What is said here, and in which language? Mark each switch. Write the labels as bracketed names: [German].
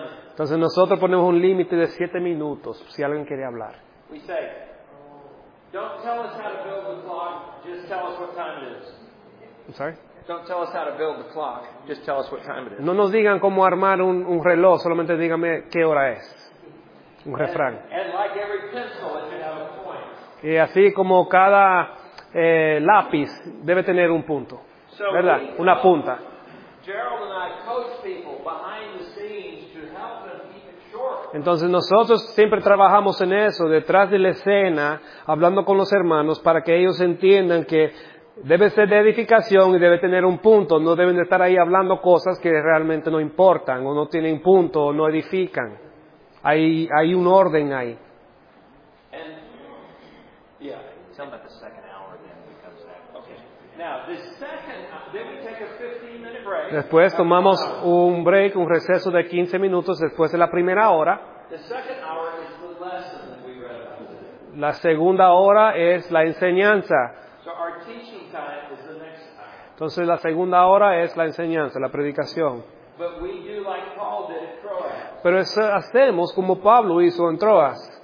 [Spanish] Entonces nosotros ponemos un límite de 7 minutos si alguien quiere hablar. [English] We say, Don't tell us how to build the clock. Just tell us what time it is. I'm sorry? Don't tell us how to build the clock. Just tell us what time it is. [Spanish] No nos digan cómo armar un reloj. Solamente dígame qué hora es. Un refrán. [English] And like every pencil, it should have a point. [Spanish] Y así como cada lápiz debe tener un punto. [English] So [Spanish] ¿verdad? Una punta. [English] Gerald and I coach people behind the scenes to help them keep it short. [Spanish] Entonces nosotros siempre trabajamos en eso, detrás de la escena, hablando con los hermanos para que ellos entiendan que debe ser de edificación y debe tener un punto. No deben estar ahí hablando cosas que realmente no importan o no tienen punto o no edifican. Hay un orden ahí. [English] And, yeah. Tell me about the second hour then becomes that. Okay. Now the second, then we take a 15-minute break. [Spanish] Después tomamos un break, un receso de 15 minutos después de la primera hora. [English] The second hour is the lesson that we read about today. [Spanish] La segunda hora es la enseñanza. [English] So our teaching time is the next time. [Spanish] Entonces la segunda hora es la enseñanza, la predicación. [English] But we do like Paul did. [Spanish] Pero eso hacemos como Pablo hizo en Troas.